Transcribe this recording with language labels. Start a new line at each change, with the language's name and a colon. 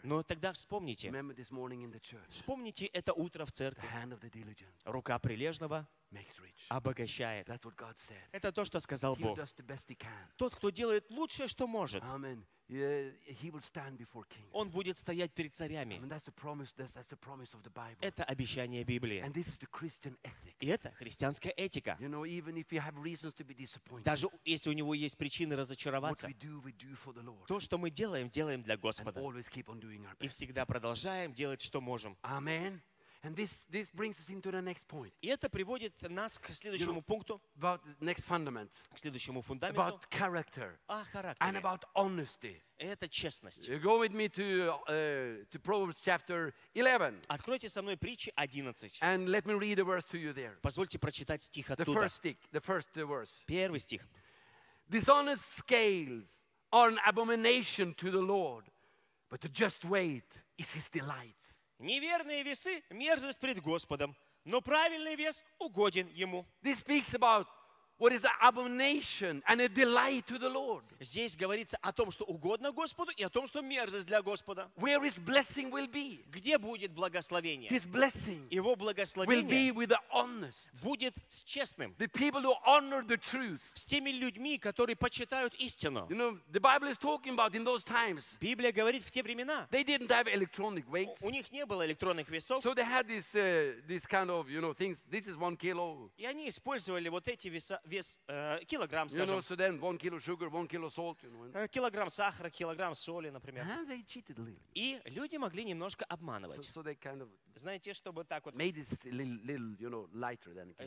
Russian: Но тогда вспомните.
English: Remember this morning in the church.
Russian: Вспомните это утро в церкви.
English: The hand of the diligent.
Russian: Рука прилежного.
English: Makes rich.
Russian: Обогащает.
English: That's what God said.
Russian: Это то, что сказал
English: he
Russian: Бог.
English: He does the best he can.
Russian: Тот, кто делает лучшее, что может.
English: Amen. He will stand before kings.
Russian: Он будет стоять перед царями.
English: I mean, that's the promise, that's the promise of the Bible.
Russian: Это обещание Библии.
English: And this is the Christian ethics.
Russian: И это христианская этика.
English: You know, even if you have reasons to be disappointed,
Russian: даже если у него есть причины разочароваться,
English: what we do for the Lord.
Russian: То, что мы делаем, делаем для Господа.
English: And always keep on doing our best.
Russian: И всегда продолжаем делать, что можем.
English: Amen. And this brings us into the next point.
Russian: И это приводит нас к следующему пункту.
English: About next fundament.
Russian: К следующему фундаменту.
English: About character.
Russian: О характере.
English: And about honesty.
Russian: Это честность.
English: You go with me to Proverbs chapter 11.
Russian: Откройте со мной притчи 11.
English: And let me read a verse to you there.
Russian: Позвольте прочитать стих оттуда.
English: The first verse.
Russian: Первый стих.
English: Dishonest scales are an abomination to the Lord, but the just weight is His delight.
Russian: Неверные весы – мерзость пред Господом, но правильный вес угоден Ему.
English: This speaks about what is an abomination and a delight to the Lord.
Russian: Здесь говорится о том, что угодно Господу, и о том, что мерзость для Господа.
English: Where His blessing will be?
Russian: Где будет благословение?
English: His blessing.
Russian: Его благословение.
English: Will be with the honest.
Russian: Будет с честным.
English: The people who honor the truth.
Russian: С теми людьми, которые почитают истину.
English: You know, the Bible is talking about in those times.
Russian: Библия говорит в те времена.
English: They didn't have electronic weights.
Russian: У них не было электронных весов.
English: So they had this this kind of you know things. This is 1 kilo.
Russian: И они использовали вот эти веса. Вес килограмм, скажем.
English: You know, so then 1 kilo sugar, 1 kilo salt. You know.
Russian: Килограмм сахара, килограмм соли, например.
English: And they cheated a little.
Russian: И люди могли немножко обманывать.
English: So they kind of,
Russian: знаете, чтобы так вот.
English: Made it little, you know, lighter than a kilo.